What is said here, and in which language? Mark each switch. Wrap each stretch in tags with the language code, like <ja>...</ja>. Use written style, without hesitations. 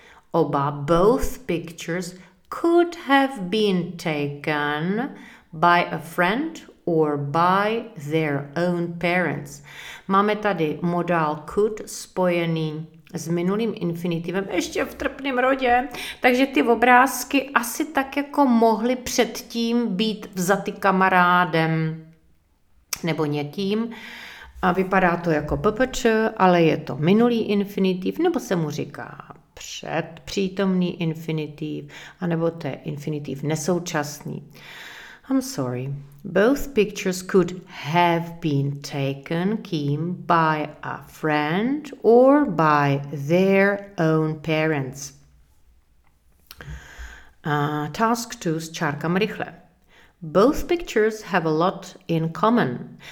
<en>Oba, both pictures could have been taken by a friend or by their own parents.</en> <cs>Máme tady modál could spojený s minulým infinitivem, ještě v trpném rodě. Takže ty obrázky asi tak jako mohly předtím být vzaty kamarádem nebo někým. A vypadá to jako ppč, ale je to minulý infinitiv, nebo se mu říká předpřítomný infinitiv, anebo to je infinitiv nesoučasný.</cs> <en>I'm sorry. Both pictures could have been taken, Kim, by a friend or by their own parents. Task 2,</en> <cs>s čárkem rychle.</cs> <en>Both pictures have a lot in common.</en>